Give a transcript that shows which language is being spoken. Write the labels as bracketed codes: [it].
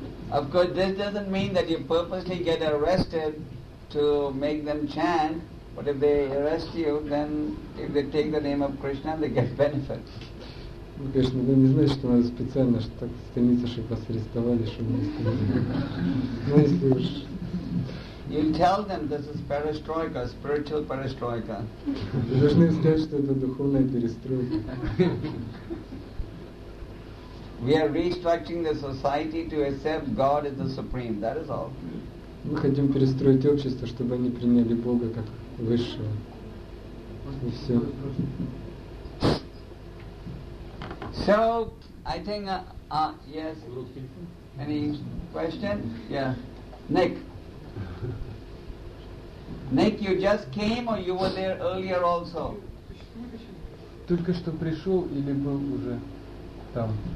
[en] Of course, this doesn't mean that you purposely get arrested to make them chant, but if they arrest you, then if they take the name of Krishna, they get benefit. [ru] Ну, конечно, вы не знаете, что надо специально так стремиться, чтобы вас арестовали, чтобы вы не если уж... [en] You tell them this is perestroika, spiritual perestroika. [ru] Вы должны сказать, что это духовная перестройка. [en] We are restructuring the society to accept God as the supreme. That is all. [ru] Мы хотим перестроить общество, чтобы они приняли Бога как высшего. И все. [en] So, I think, yes. Any question? Yeah. Nick. Nick, you just came or you were there earlier also? [ru] Только что пришел или был уже там?